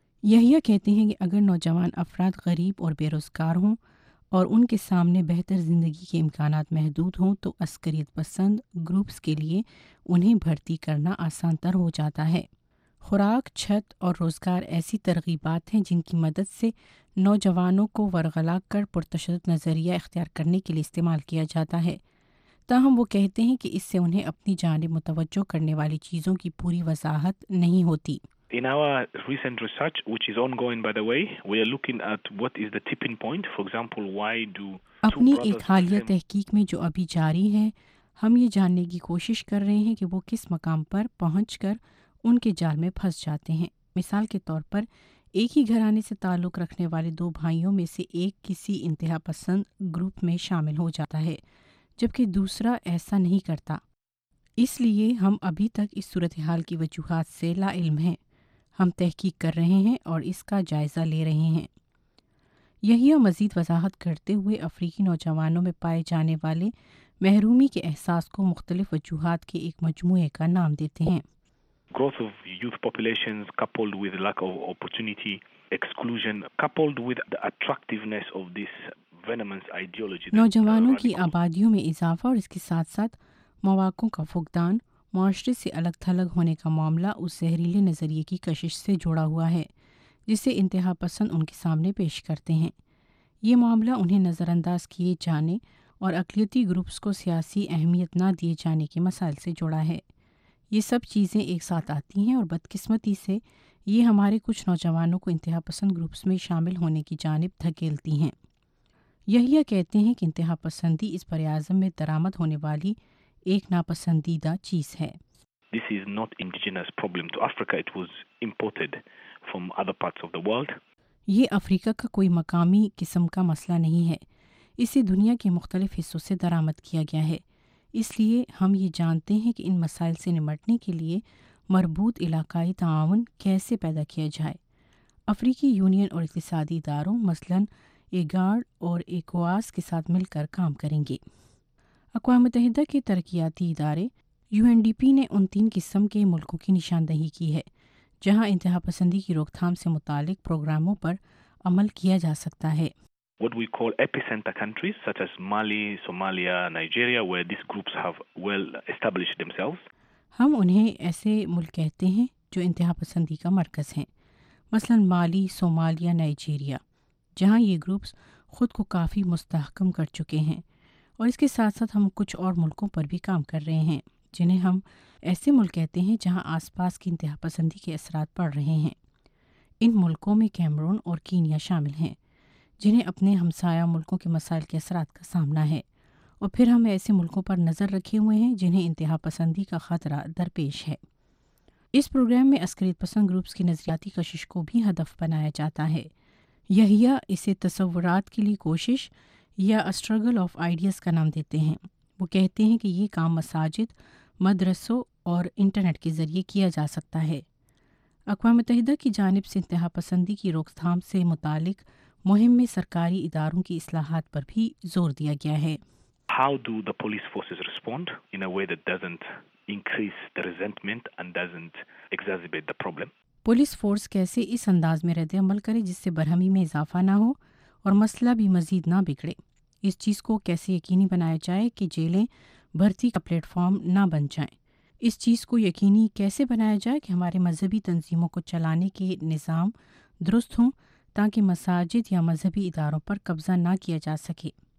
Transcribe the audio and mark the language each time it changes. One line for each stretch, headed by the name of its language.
Urdu: یحییٰ کہتے ہیں کہ اگر نوجوان افراد غریب اور بے روزگار ہوں اور ان کے سامنے بہتر زندگی کے امکانات محدود ہوں تو عسکریت پسند گروپس کے لیے انہیں بھرتی کرنا آسان تر ہو جاتا ہے۔ خوراک، چھت اور روزگار ایسی ترغیبات ہیں جن کی مدد سے نوجوانوں کو ورغلا کر پرتشدد نظریہ اختیار کرنے کے لیے استعمال کیا جاتا ہے۔ تاہم وہ کہتے ہیں کہ اس سے انہیں اپنی جانب متوجہ کرنے والی چیزوں کی پوری وضاحت نہیں ہوتی۔
English: In our recent research, which is ongoing by the way, we are looking at what is the tipping point. For example, why do two brothers...
Urdu: اپنی ایک حالیہ تحقیق میں جو ابھی جاری ہے، ہم یہ جاننے کی کوشش کر رہے ہیں کہ وہ کس مقام پر پہنچ کر ان کے جال میں پھنس جاتے ہیں۔ مثال کے طور پر، ایک ہی گھرانے سے تعلق رکھنے والے دو بھائیوں میں سے ایک کسی انتہا پسند گروپ میں شامل ہو جاتا ہے جبکہ دوسرا ایسا نہیں کرتا۔ اس لیے ہم ابھی تک اس صورتحال کی وجوہات سے لا علم ہیں۔ ہم تحقیق کر رہے ہیں اور اس کا جائزہ لے رہے ہیں۔ یحییٰ مزید وضاحت کرتے ہوئے افریقی نوجوانوں میں پائے جانے والے محرومی کے احساس کو مختلف وجوہات کے ایک مجموعے کا نام دیتے ہیں۔
English: Growth of youth populations coupled with lack of opportunity, exclusion coupled with the attractiveness of this venomous ideology.
Urdu: نوجوانوں کی آبادیوں میں اضافہ اور اس کے ساتھ ساتھ مواقعوں کا فقدان، معاشرے سے الگ تھلگ ہونے کا معاملہ اس زہریلے نظریے کی کشش سے جوڑا ہوا ہے جسے انتہا پسند ان کے سامنے پیش کرتے ہیں۔ یہ معاملہ انہیں نظر انداز کیے جانے اور اقلیتی گروپس کو سیاسی اہمیت نہ دیے جانے کے مسائل سے جوڑا ہے۔ یہ سب چیزیں ایک ساتھ آتی ہیں اور بدقسمتی سے یہ ہمارے کچھ نوجوانوں کو انتہا پسند گروپس میں شامل ہونے کی جانب دھکیلتی ہیں۔ یحییٰ کہتے ہیں کہ انتہا پسندی اس براعظم میں درآمد ہونے والی ایک ناپسندیدہ چیز ہے۔
English: This is not indigenous problem to Africa. It was imported from other parts of the world.
Urdu: یہ افریقہ کا کوئی مقامی قسم کا مسئلہ نہیں ہے، اسے دنیا کے مختلف حصوں سے درآمد کیا گیا ہے۔ اس لیے ہم یہ جانتے ہیں کہ ان مسائل سے نمٹنے کے لیے مربوط علاقائی تعاون کیسے پیدا کیا جائے۔ افریقی یونین اور اقتصادی اداروں مثلاً ایگارڈ اور ایکواس کے ساتھ مل کر کام کریں گے۔ اقوام متحدہ کے ترقیاتی ادارے یو این ڈی پی نے ان تین قسم کے ملکوں کی نشاندہی کی ہے جہاں انتہا پسندی کی روک تھام سے متعلق پروگراموں پر عمل کیا جا سکتا ہے۔
English: What we call epicenter countries such as Mali, Somalia, Nigeria where these groups have well established themselves.
Urdu: ہم انہیں ایسے ملک کہتے ہیں جو انتہا پسندی کا مرکز ہیں، مثلا مالی، صومالیا، نائجیریا، جہاں یہ گروپس خود کو کافی مستحکم کر چکے ہیں۔ اور اس کے ساتھ ساتھ ہم کچھ اور ملکوں پر بھی کام کر رہے ہیں جنہیں ہم ایسے ملک کہتے ہیں جہاں آس پاس کی انتہا پسندی کے اثرات پڑ رہے ہیں۔ ان ملکوں میں کیمرون اور کینیا شامل ہیں جنہیں اپنے ہمسایہ ملکوں کے مسائل کے اثرات کا سامنا ہے، اور پھر ہم ایسے ملکوں پر نظر رکھے ہوئے ہیں جنہیں انتہا پسندی کا خطرہ درپیش ہے۔ اس پروگرام میں عسکریت پسند گروپس کی نظریاتی کشش کو بھی ہدف بنایا جاتا ہے۔ یحییٰ اسے تصورات کے لیے کوشش یا اسٹرگل آف آئیڈیاز کا نام دیتے ہیں۔ وہ کہتے ہیں کہ یہ کام مساجد، مدرسوں اور انٹرنیٹ کے ذریعے کیا جا سکتا ہے۔ اقوام متحدہ کی جانب سے انتہا پسندی کی روک تھام سے متعلق مہم میں سرکاری اداروں کی اصلاحات پر بھی زور دیا گیا ہے۔
English: How do the police forces respond in a way that doesn't increase the resentment and doesn't exacerbate the problem?
Urdu: Police force کیسے اس انداز میں رد عمل کرے جس سے برہمی میں اضافہ نہ ہو اور مسئلہ بھی مزید نہ بگڑے؟ اس چیز کو کیسے یقینی بنایا جائے کہ جیلیں بھرتی کا پلیٹ فارم نہ بن جائیں؟ اس چیز کو یقینی کیسے بنایا جائے کہ ہمارے مذہبی تنظیموں کو چلانے کے نظام درست ہوں تاکہ مساجد یا مذہبی اداروں پر قبضہ نہ کیا جا سکے؟